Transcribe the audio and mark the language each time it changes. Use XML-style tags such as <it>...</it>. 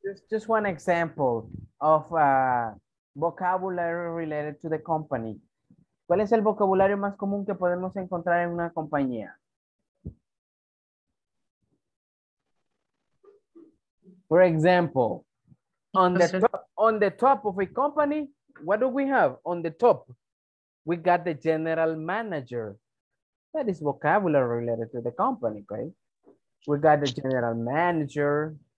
<en>Just one example of vocabulary related to the company.</en> <es>¿Cuál es el vocabulario más común que podemos encontrar en una compañía?</es> <en>For example, on the top of a company, what do we have? On the top, we got the general manager. That is vocabulary related to the company, right? We got the general manager.</en>